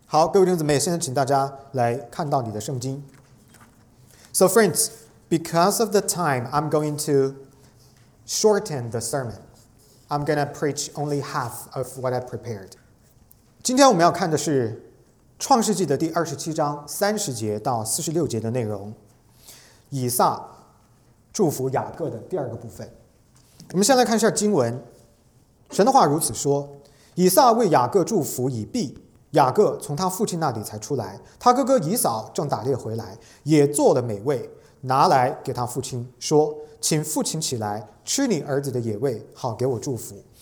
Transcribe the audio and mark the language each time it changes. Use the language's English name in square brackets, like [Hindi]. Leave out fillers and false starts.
[Chinese] 好，各位弟兄姊妹，现在请大家来看到你的圣经。 [English] So friends, because of the time, I'm going to shorten the sermon. I'm going to preach only half of what I prepared. [Chinese] 今天我们要看的是创世纪的第27章30节到46节的内容，以撒祝福雅各的第二个部分。我们先来看一下经文，神的话如此说，以撒为雅各祝福以毕，雅各从他父亲那里才出来，他哥哥以扫正打猎回来，也做了美味，拿来给他父亲说，请父亲起来吃你儿子的野味，好给我祝福。